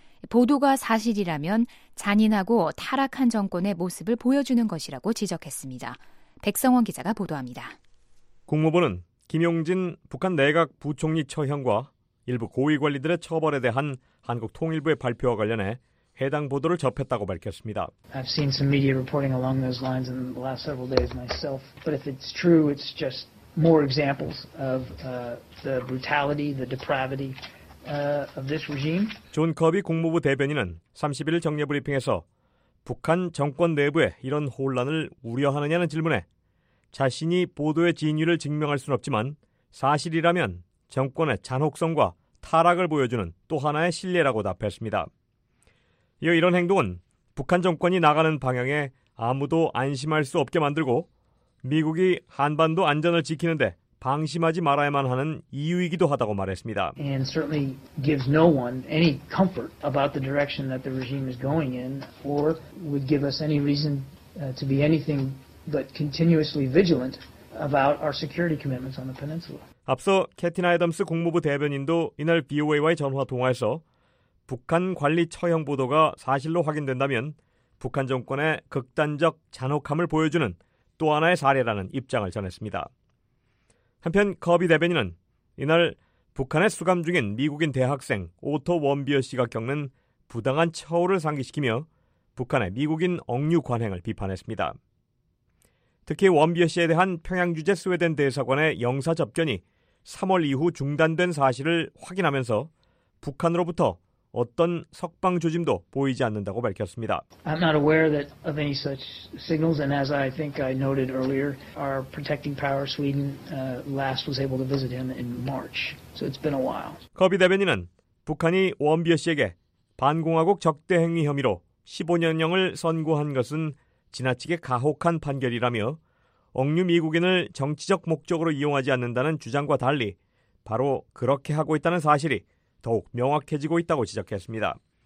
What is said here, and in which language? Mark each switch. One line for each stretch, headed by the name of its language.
Korean: 보도가 사실이라면 잔인하고 타락한 정권의 모습을 보여주는 것이라고 지적했습니다. 백성원 기자가 보도합니다. 국무부는 김용진 북한 내각 부총리 처형과 일부 고위관리들의 처벌에 대한 한국 통일부의 발표와 관련해 해당 보도를 접했다고 밝혔습니다.
English: I've seen some media reporting along those lines in the last several days myself. But if it's true, it's just more examples of the brutality, the depravity of this regime.
Korean: 존 커비 국무부 대변인은 31일 정례 브리핑에서 북한 정권 내부에 이런 혼란을 우려하느냐는 질문에 자신이 보도의 진위를 증명할 순 없지만 사실이라면 정권의 잔혹성과 타락을 보여주는 또 하나의 신뢰라고 답했습니다. 이어 이런 행동은 북한 정권이 나가는 방향에 아무도 안심할 수 없게 만들고 미국이 한반도 안전을 지키는데 방심하지 말아야만 하는 이유이기도 하다고 말했습니다.
English: And certainly gives no one any comfort about the direction that the regime is going in or would give us any reason to be anything but continuously vigilant about our security commitments on the peninsula.
Korean: 앞서 캐티나 애덤스 국무부 대변인도 이날 BOA와의 전화 통화에서 북한 관리 처형 보도가 사실로 확인된다면 북한 정권의 극단적 잔혹함을 보여주는 또 하나의 사례라는 입장을 전했습니다. 한편 커비 대변인은 이날 북한에 수감 중인 미국인 대학생 오토 원비어 씨가 겪는 부당한 처우를 상기시키며 북한의 미국인 억류 관행을 비판했습니다. 특히 원비어 씨에 대한 평양주재 스웨덴 대사관의 영사 접견이 3월 이후 중단된 사실을 확인하면서 북한으로부터 어떤 석방 조짐도 보이지 않는다고 밝혔습니다.
English: I'm not aware that of any such signals, and as I think I noted earlier, our protecting power Sweden last was able to visit him in March, so it's been a while.
Korean: 커비 대변인은 북한이 원비어 씨에게 반공화국 적대 행위 혐의로 15년형을 선고한 것은 지나치게 가혹한 판결이라며 억류 미국인을 정치적 목적으로 이용하지 않는다는 주장과 달리 바로 그렇게 하고 있다는 사실이 더욱 명확해지고 있다고 지적했습니다.